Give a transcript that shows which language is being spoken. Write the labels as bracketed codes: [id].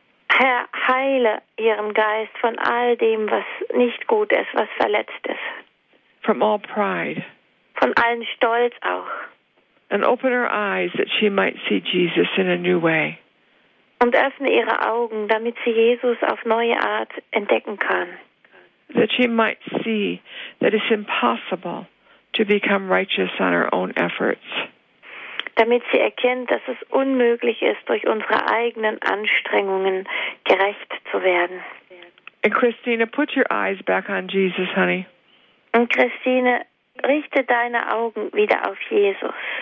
[de] Herr, heile ihren Geist von all dem, was nicht gut ist, was verletzt ist. [en] From all pride. [de] Von allen Stolz auch. [en] And open her eyes that she might see Jesus in a new way. [de] Und öffne ihre Augen, damit sie Jesus auf neue Art entdecken kann. [en] That she might see that it's impossible to become righteous on her own efforts. [de] Damit sie erkennt, dass es unmöglich ist, durch unsere eigenen Anstrengungen gerecht zu werden. [en] And Christina, put your eyes back on Jesus, honey. [de] Und Christine, richte deine Augen wieder auf Jesus.